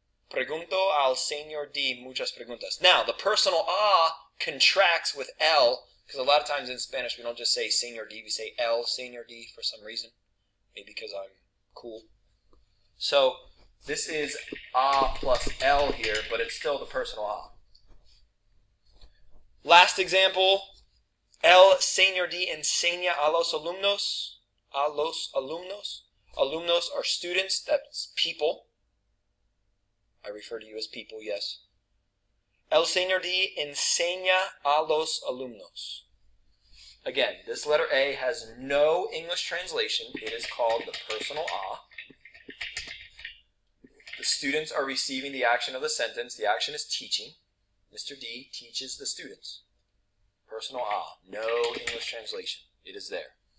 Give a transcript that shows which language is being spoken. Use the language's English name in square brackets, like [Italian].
[Spanish] Pregunto al señor D muchas preguntas. [English] Now, the personal a contracts with el, because a lot of times in Spanish we don't just say señor D, we say el señor D for some reason. Maybe because I'm cool. So, this is a plus el here, but it's still the personal a. Last example, [Spanish] el señor D enseña a los alumnos. A los alumnos. [English] Alumnos are students, that's people. I refer to you as people, yes. [Spanish] El señor D enseña a los alumnos. [English] Again, this letter A has no English translation. It is called the personal a. The students are receiving the action of the sentence. The action is teaching. Mr. D teaches the students. Personal a. No English translation. It is there.